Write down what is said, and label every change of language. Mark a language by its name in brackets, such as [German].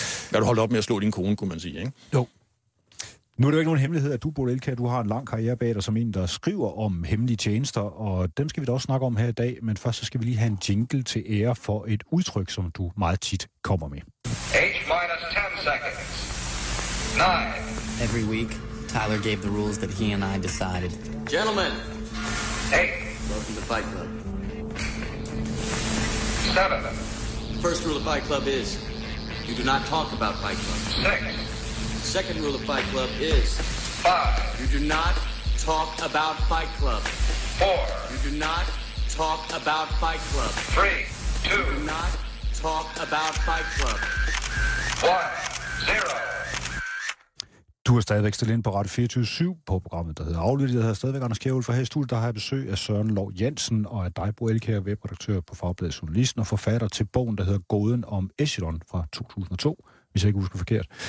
[Danish] Hvad du holdt op med at slå din kone, kunne man sige, ikke? Jo. Nu er det jo ikke nogen hemmelighed, at du, Bodil Elkær, du har en lang karriere bag dig som en, der skriver om hemmelige tjenester, og dem skal vi da også snakke om her i dag, men først så skal vi lige have en jingle til ære for et udtryk, som du meget tit kommer med. [English] H-minus 10 seconds. 9. Every week, Tyler gave the rules that he and I decided. Gentlemen. 8. Welcome to Fight Club. 7. The first rule of Fight Club is, you do not talk about Fight Club. 6. Second rule of Fight Club is 5. You do not talk about Fight Club. 4. You do not talk about Fight Club. 3. 2. You do not talk about Fight Club. 1. 0. [Danish] Du er stadigvæk stillet ind på Radio 24/7 på programmet, der hedder Aflyttet. Jeg hedder stadigvæk Anders Kjærhul, for her i studiet, der har jeg besøg af Søren Lov Jensen og af dig, Bodil Elkær, webredaktør på Fagbladet Journalisten og forfatter til bogen, der hedder Gåden om Echelon fra 2002, hvis jeg ikke husker forkert.